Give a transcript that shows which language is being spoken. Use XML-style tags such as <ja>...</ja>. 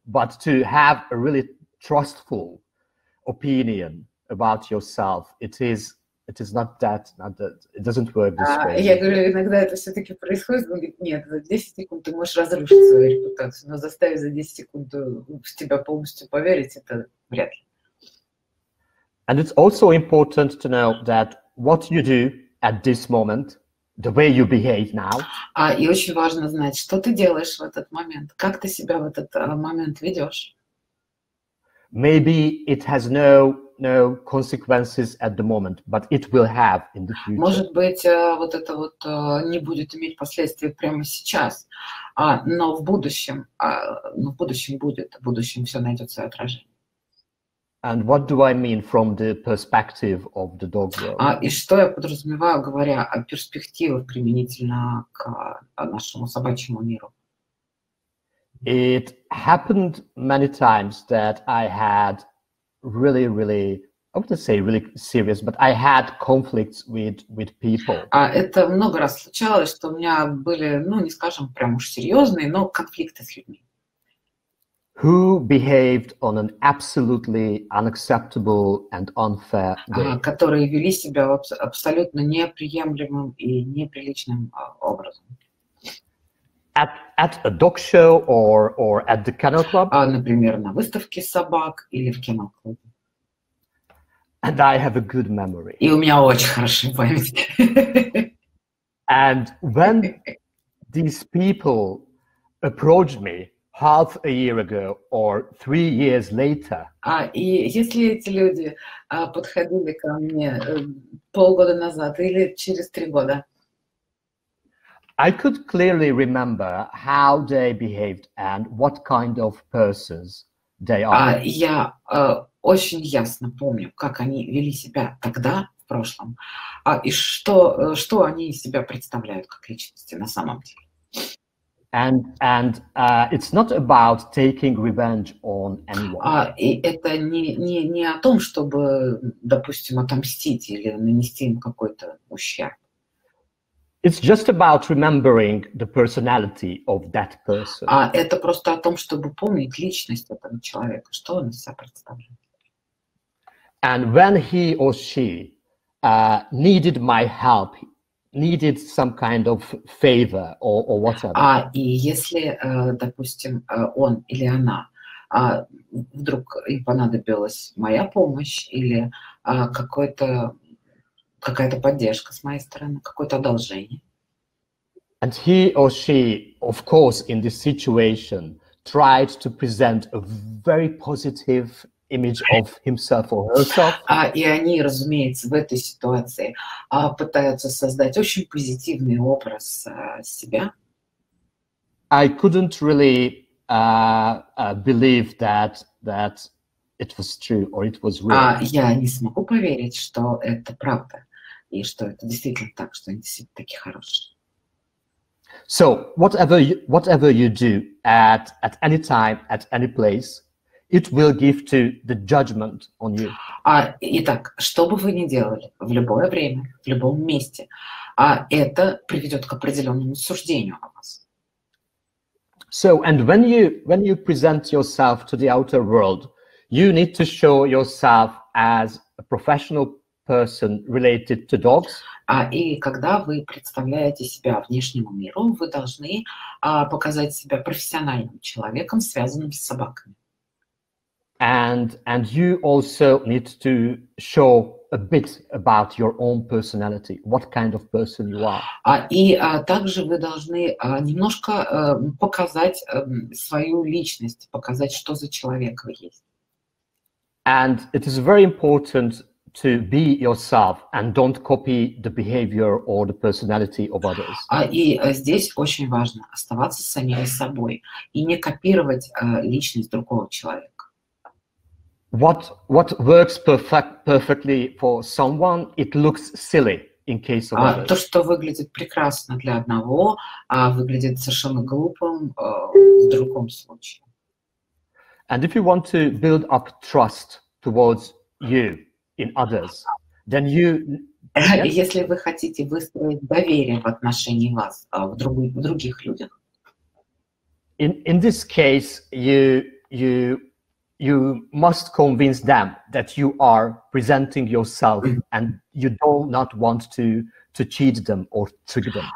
<en>But to have a really trustful opinion about yourself, it doesn't work this way.</en> <ru>Я говорю, иногда это все-таки происходит. Он говорит, нет, за 10 секунд ты можешь разрушить свою репутацию, но заставить за 10 секунд в тебя полностью поверить, это вряд ли.</ru> <en>And it's also important to know that what you do at this moment, the way you behave now.</en> <ru>И очень важно знать, что ты делаешь в этот момент, как ты себя в этот момент ведешь.</ru> <en>Maybe it has no consequences at the moment, but it will have in the future.</en> <ru>Может быть, вот это вот не будет иметь последствий прямо сейчас, но в будущем будет, в будущем все найдет свое отражение.</ru> <en>And what do I mean from the perspective of the dog world?</en> <ru>И что я подразумеваю, говоря о перспективах применительно к нашему собачьему миру?</ru> <en>It happened many times that I had really, really, I wouldn't say really serious, but I had conflicts with people.</en> <ru>Это много раз случалось, что у меня были, ну, не скажем, прям уж серьезные, но конфликты с людьми.</ru> <en>Who behaved on an absolutely unacceptable and unfair way.</en> <ru>Которые вели себя абсолютно неприемлемым и неприличным образом.</ru> <en>At a dog show or at the kennel club.</en> <ru>Например, на выставке собак или в кинолабе.</ru> <en>And I have a good memory.</en> <ru>И у меня очень хорошая память.</ru> <en>And when these people approached me half a year ago or 3 years later.</en> <ru>И если эти люди подходили ко мне полгода назад или через 3 года.</ru> <en>I could clearly remember how they behaved and what kind of persons they are.</en> <ru>Я очень ясно помню, как они вели себя тогда, в прошлом, и что они из себя представляют как личности на самом деле.</ru> <en>It's not about taking revenge on anyone.</en> <ru>И это не о том, чтобы, допустим, отомстить или нанести им какой-то ущерб.</ru> <en>It's just about remembering the personality of that person.</en> <ru>А это просто о том, чтобы помнить личность этого человека, что он из себя представляет.</ru> <en>And when he or she needed my help, needed some kind of favor or whatever.</en> <ru>А и если, допустим, он или она вдруг им понадобилась моя помощь или какой-то какая-то поддержка с моей стороны, какое-то одолжение.</ru> <en>And he or she, of course, in this situation, tried to present a very positive image of himself or herself.</en> <ru>И они, разумеется, в этой ситуации пытаются создать очень позитивный образ себя.</ru> <en>I couldn't really believe that it was true or it was real.</en> <ru>Я не смогу поверить, что это правда. И что это действительно так, что они действительно такие хорошие.</ru> <en>So, whatever you do at any time, at any place, it will give to the judgment on you.</en> <ru>Итак, что бы вы ни делали, в любое время, в любом месте, это приведет к определенному суждению о вас.</ru> <en>So, and when you present yourself to the outer world, you need to show yourself as a professional person related to dogs.</en> <ru>И когда вы представляете себя внешнему миру, вы должны показать себя профессиональным человеком, связанным с собаками.</ru> <en>And you also need to show a bit about your own personality, what kind of person you are.</en> <ru>Также вы должны немножко показать свою личность, показать, что за человек вы есть.</ru> <en>And it is very important to be yourself and don't copy the behavior or the personality of others.</en> <ru>Здесь очень важно оставаться самим собой и не копировать личность другого человека.</ru> <en>What works perfectly for someone, it looks silly in case of others.</en> <ru>То, что выглядит прекрасно для одного, выглядит совершенно глупым в другом случае.</ru> <en>And if you want to build up trust towards you in others, then you... Yes?</en> <ru>Если вы хотите выстроить доверие в отношении вас в других людях.</ru> <en>In this case, you must convince them that you are presenting yourself and you do not want to cheat them or trick them.</en>